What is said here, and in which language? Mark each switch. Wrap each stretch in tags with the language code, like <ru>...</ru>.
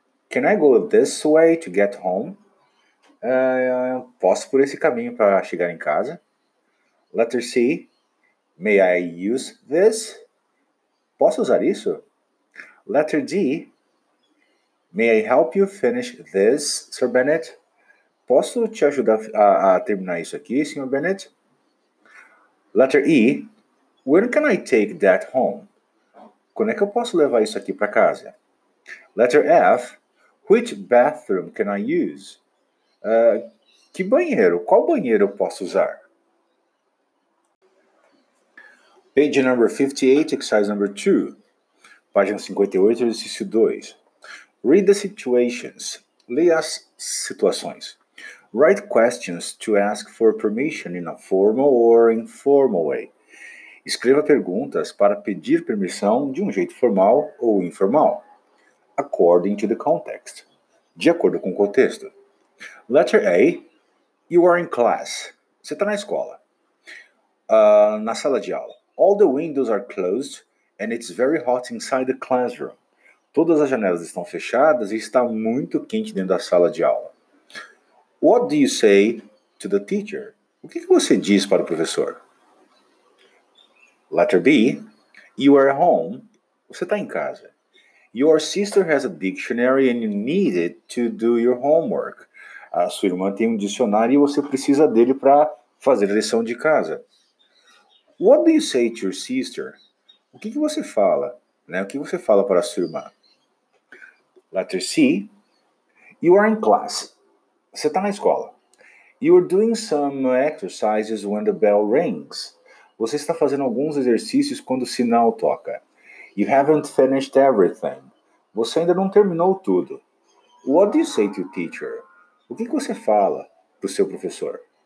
<en>Can I go this way to get home?</en> <pt>Posso por esse caminho para chegar em casa?</pt> <en>Letter C. May I use this?</en> <pt>Posso usar isso?</pt> <en>Letter D. May I help you finish this, Sir Bennett?</en> <pt>Posso te ajudar a terminar isso aqui, Sr. Bennett?</pt> <en>Letter E. When can I take that home?</en> <pt>Quando é que eu posso levar isso aqui para casa?</pt> <en>Letter F. Which bathroom can I use?</en> <pt>Que banheiro? Qual banheiro eu posso usar?</pt> <en>Page number 58, exercise number 2.</en> <pt>Página 58, exercício 2.</pt> <en>Read the situations.</en> <pt>Leia as situações.</pt> <en>Write questions to ask for permission in a formal or informal way.</en> <pt>Escreva perguntas para pedir permissão de um jeito formal ou informal.</pt> <en>According to the context.</en> <pt>De acordo com o contexto.</pt> <en>Letter A. You are in class.</en> <pt>Você está na escola. Na sala de aula.</pt> <en>All the windows are closed and it's very hot inside the classroom.</en> <pt>Todas as janelas estão fechadas e está muito quente dentro da sala de aula.</pt> <en>What do you say to the teacher?</en> <pt>O que você diz para o professor?</pt> <en>Letter B. You are home.</en> <pt>Você está em casa.</pt> <en>Your sister has a dictionary and you need it to do your homework.</en> <pt>A sua irmã tem um dicionário e você precisa dele para fazer a lição de casa.</pt> <en>What do you say to your sister?</en> <pt>O que você fala? Né? O que você fala para a sua irmã?</pt> <en>Letter C. You are in class.</en> <pt>Você está na escola.</pt> <en>You are doing some exercises when the bell rings.</en> <pt>Você está fazendo alguns exercícios quando o sinal toca.</pt> <en>You haven't finished everything.</en> <pt>Você ainda não terminou tudo.</pt> <en>What do you say to your teacher?</en> <pt>O que você fala para o seu professor?</pt>